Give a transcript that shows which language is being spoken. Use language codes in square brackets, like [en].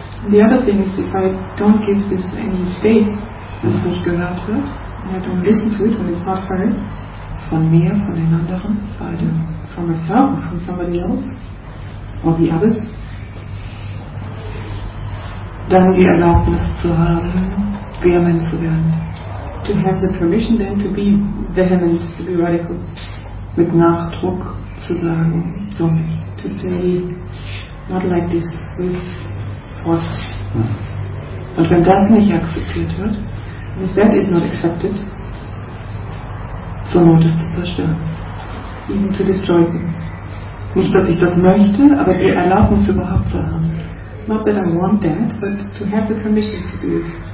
[en] The other thing is, if I don't give this any space, [de] das nicht gehört wird, [en] I don't listen to it when it's not heard. [de] Von mir, von den anderen, [en] from myself or from somebody else, or the others. [de] Dann die Erlaubnis zu haben, vehement zu werden. [en] To have the permission then to be vehement, to be radical. [de] Mit Nachdruck zu sagen, so nicht. [en] To say, not like this, with force. [de] Und wenn das nicht akzeptiert wird, [en] if that is not accepted, [de] zur Not ist zu zerstören. [en] Even to destroy things. [de] Nicht, dass ich das möchte, aber die Erlaubnis überhaupt zu haben. [en] Not that I want that, but to have the permission to do it.